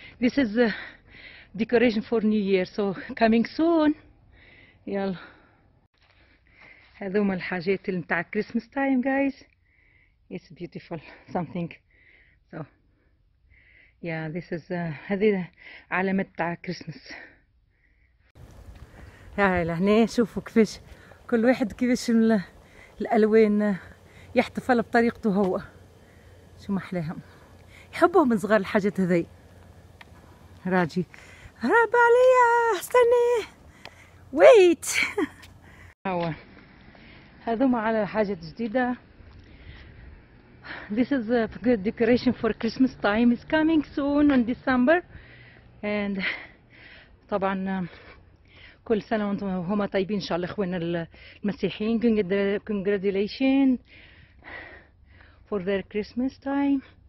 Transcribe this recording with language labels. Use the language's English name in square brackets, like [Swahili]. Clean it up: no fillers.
[English] This is decoration for new year so coming soon. [Arabic] يلا هذوما الحاجات اللي نتاع كريسمس تايم جايز. [English] It's beautiful something so yeah this is [Arabic] هذه علامات تاع كريسمس. هاي لهنا شوفوا كيفاش كل واحد كيفاش الالوان يحتفل بطريقته هو شو محلاهم يحبوا من صغار الحاجات هذي. راجي هرب عليا استني ويت. هاو هذوما على حاجات جديده. [English] This is a good decoration for Christmas time. It's coming soon in December. [Arabic] And طبعا كل سنة وانتم هما طيبين ان شاء الله اخوان المسيحيين. [English] Congratulations for their Christmas time.